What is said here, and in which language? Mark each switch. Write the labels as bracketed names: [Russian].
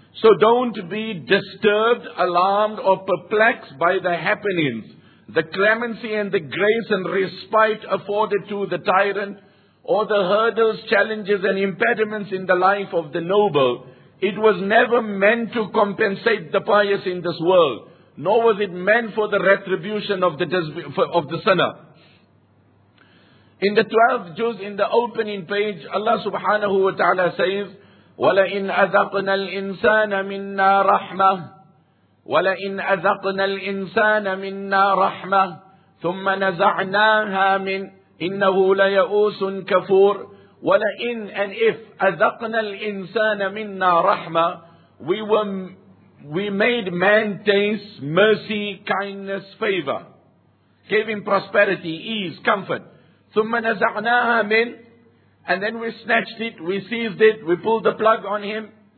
[English] So don't be disturbed, alarmed or perplexed by the happenings, the clemency and the grace and respite afforded to the tyrant, or the hurdles, challenges and impediments in the life of the noble. It was never meant to compensate the pious in this world, nor was it meant for the retribution of the sinner. In the 12th juz, in the opening page, Allah subhanahu wa ta'ala says, [Arabic] وَلَئِنْ أَذَقْنَا الْإِنسَانَ مِنَّا رَحْمَةً وَلَئِنْ أَذَقْنَا الْإِنسَانَ مِنَّا رَحْمَةً ثُمَّ نَزَعْنَاهَا مِنْ إِنَّهُ لَيَؤُوسٌ كَفُورٌ. وَلَئِنْ [English] and if [Arabic] أَذَقْنَا الْإِنسَانَ مِنَّا رَحْمَةً, [English] we made man taste mercy, kindness, favor, gave him prosperity, ease, comfort. [Arabic] ثُمَّ نَزَعْنَاهَا مِنْ, [English] and then we snatched it, we seized it, we pulled the plug on him.